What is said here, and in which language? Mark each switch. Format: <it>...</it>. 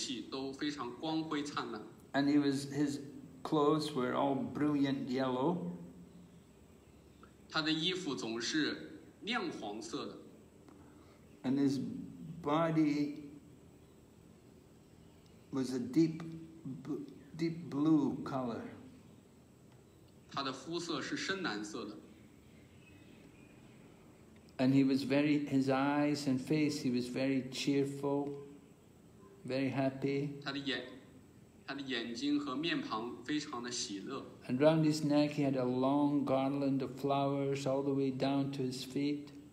<zh>每一只手都有不同的武器，而且所有的武器都非常光辉灿烂。</zh> <en>And his clothes were all brilliant yellow.</en> <zh>他的衣服总是亮黄色的。</zh> <en>And his body was a deep blue color.</en> <zh>他的肤色是深蓝色的。</zh> <en>And he was very, his eyes and face, he was very cheerful, very happy.</en> <zh>他的眼睛和面庞非常的喜乐。</zh> <en>And round his neck he had a long garland of flowers all the way down to his feet.</en>